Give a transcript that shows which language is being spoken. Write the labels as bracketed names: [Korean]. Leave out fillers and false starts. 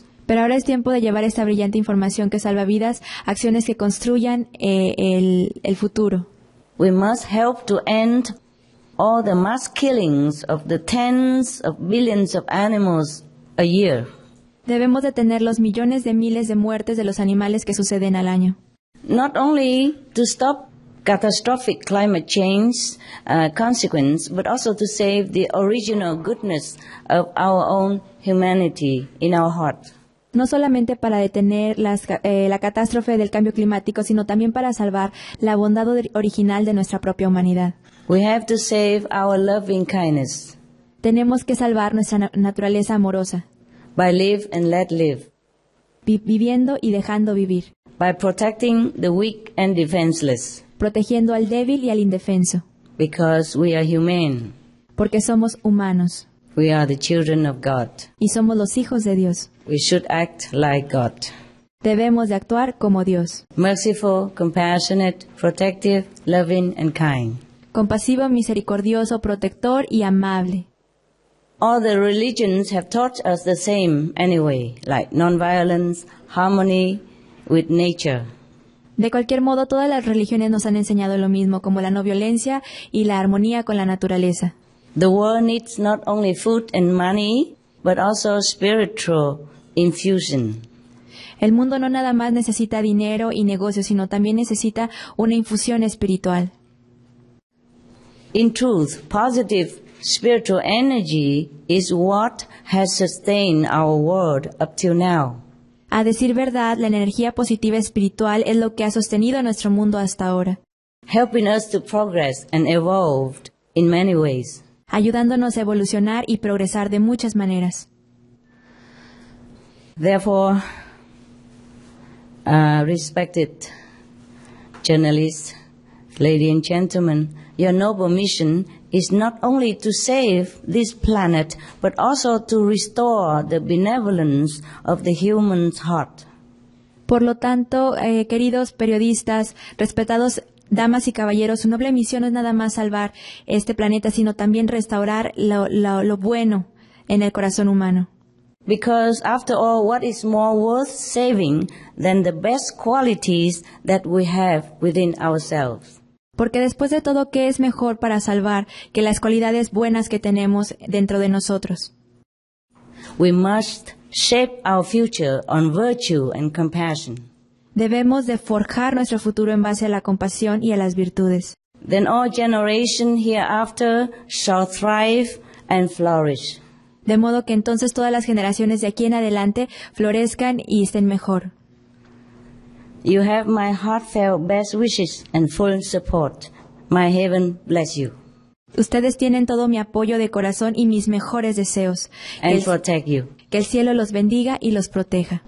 [Spanish] Pero ahora es tiempo de llevar esta brillante información que salva vidas, acciones que construyan el futuro. [English] We must help to end all the mass killings of the tens of billions of animals a year. [Spanish] Debemos detener los millones de miles de muertes de los animales que suceden al año. [English] Not only to stop catastrophic climate change consequence, but also to save the original goodness of our own humanity in our heart. [Spanish] No solamente para detener la catástrofe del cambio climático, sino también para salvar la bondad original de nuestra propia humanidad. [English] We have to save our loving kindness. [Spanish] Tenemos que salvar nuestra naturaleza amorosa. [English] By live and let live. [Spanish] Viviendo y dejando vivir. [English] By protecting the weak and defenseless. [Spanish] Protegiendo al débil y al indefenso. [English] Because we are humane. [Spanish] Porque somos humanos. [English] We are the children of God. [Spanish] Y somos los hijos de Dios. [English] We should act like God. [Spanish] Debemos de actuar como Dios. [English] Merciful, compassionate, protective, loving and kind. [Spanish] Compasivo, misericordioso, protector y amable. [English] All the religions have taught us the same anyway, like non-violence, harmony with nature. [Spanish] De cualquier modo, todas las religiones nos han enseñado lo mismo, como la no violencia y la armonía con la naturaleza. [English] The world needs not only food and money, but also spiritual infusion. [Spanish] El mundo no nada más necesita dinero y negocios, sino también necesita una infusión espiritual. [English] In truth, positive spiritual energy is what has sustained our world up till now. [Spanish] A decir verdad, la energía positiva espiritual es lo que ha sostenido a nuestro mundo hasta ahora. [English] Helping us to progress and evolve in many ways. [Spanish] Ayudándonos a evolucionar y progresar de muchas maneras. [English] Therefore, respected journalists, ladies and gentlemen, your noble mission is not only to save this planet, but also to restore the benevolence of the human heart. [Spanish] Por lo tanto, queridos periodistas, respetados damas y caballeros, su noble misión no es nada más salvar este planeta, sino también restaurar lo bueno en el corazón humano. [English] Because after all, what is more worth saving than the best qualities that we have within ourselves? [Spanish] Porque después de todo, ¿qué es mejor para salvar que las cualidades buenas que tenemos dentro de nosotros? [English] We must shape our future on virtue and compassion. [Spanish] Debemos de forjar nuestro futuro en base a la compasión y a las virtudes. [English] Then all generation hereafter shall thrive and flourish. [Spanish] De modo que entonces todas las generaciones de aquí en adelante florezcan y estén mejor. [English] You have my heartfelt best wishes and full support. May heaven bless you. [Spanish] Ustedes tienen todo mi apoyo de corazón y mis mejores deseos. [English] And protect you. [Spanish] Que el cielo los bendiga y los proteja.